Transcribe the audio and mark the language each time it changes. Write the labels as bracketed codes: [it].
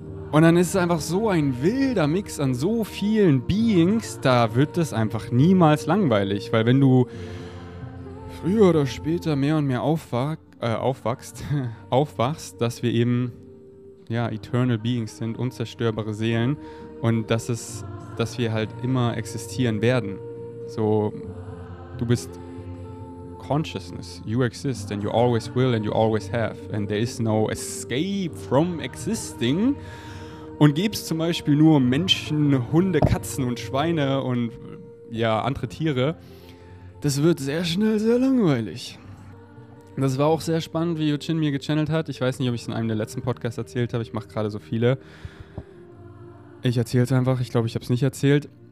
[de] Und dann ist es einfach so ein wilder Mix an so vielen Beings, da wird es einfach niemals langweilig. Weil wenn du früher oder später mehr und mehr aufwachst, dass wir eben, ja, eternal beings sind, unzerstörbare Seelen und dass wir halt immer existieren werden. So, du bist [en] consciousness, you exist and you always will and you always have and there is no escape from existing. [de] Und gibst zum Beispiel nur Menschen, Hunde, Katzen und Schweine und, ja, andere Tiere, das wird sehr schnell sehr langweilig. Das war auch sehr spannend, wie Eugene mir gechannelt hat. Ich weiß nicht, ob ich es in einem der letzten Podcasts erzählt habe. Ich mache gerade so viele. Ich erzähle es einfach. Ich glaube, ich habe es nicht erzählt.